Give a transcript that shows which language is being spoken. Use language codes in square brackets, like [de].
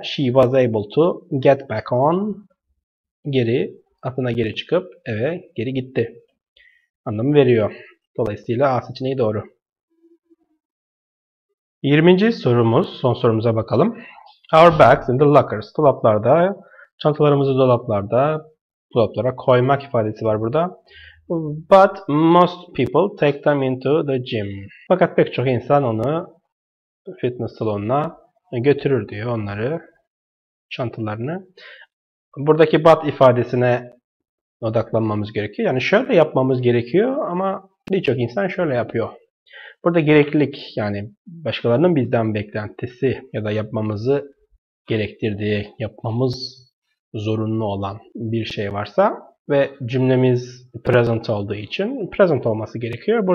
[en] She was able to get back on. [tr] Geri atına geri çıkıp eve geri gitti. Anlamı veriyor. Dolayısıyla A seçeneği doğru. 20. sorumuz, son sorumuza bakalım. [en] Our bags in the lockers. [tr] Dolaplarda, çantalarımızı dolaplarda, dolaplara koymak ifadesi var burada. [en] But most people take them into the gym. [tr] Fakat pek çok insan onu fitness salonuna götürür diyor onları, çantalarını. Buradaki but ifadesine odaklanmamız gerekiyor. Yani şöyle yapmamız gerekiyor ama birçok insan şöyle yapıyor. Burada gereklilik yani başkalarının bizden beklentisi ya da yapmamızı gerektirdiği, yapmamız zorunlu olan bir şey varsa ve cümlemiz present olduğu için present olması gerekiyor.